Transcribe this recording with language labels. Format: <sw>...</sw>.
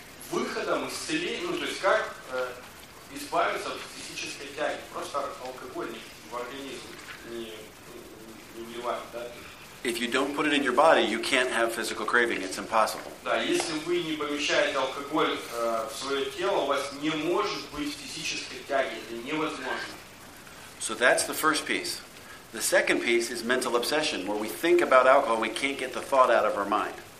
<ru>Выходом исцеления, ну то есть как избавиться от физи- физической тяги, просто алкоголь в организм не вливать, да?</ru> <en>If you don't put it in your body, you can't have physical craving. It's impossible.</en> <ru>Да, если вы не помещаете алкоголь в свое тело, у вас не может быть физической тяги. Это невозможно.</ru> <en>So that's the first piece. The second piece is mental obsession, where we think about alcohol and we can't get the thought out of our mind.</en>